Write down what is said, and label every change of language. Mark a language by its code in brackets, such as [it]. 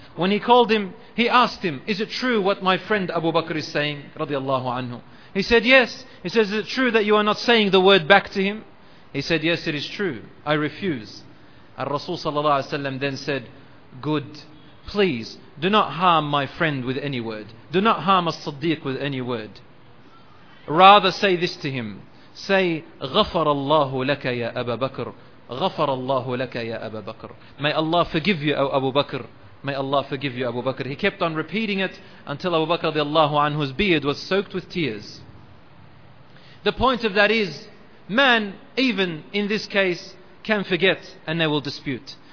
[en] When he called him, he asked him, is it true what my friend Abu Bakr is saying radiallahu anhu? He said, yes. He says, is it true that you are not saying the word back to him? He said, yes, it is true. I refuse. And Rasul sallallahu alaihi wasallam then said, good. Please, do not harm my friend with any word. Do not harm as-Siddiq with any word. Rather say this to him. Say, [ar] غفر الله لك يا أبا بكر. غفر الله لك يا أبا بكر. [en] May Allah forgive you, O Abu Bakr. May Allah forgive you, Abu Bakr. He kept on repeating it until Abu Bakr radiallahu anhu's beard was soaked with tears. The point of that is, man, even in this case, can forget and they will dispute.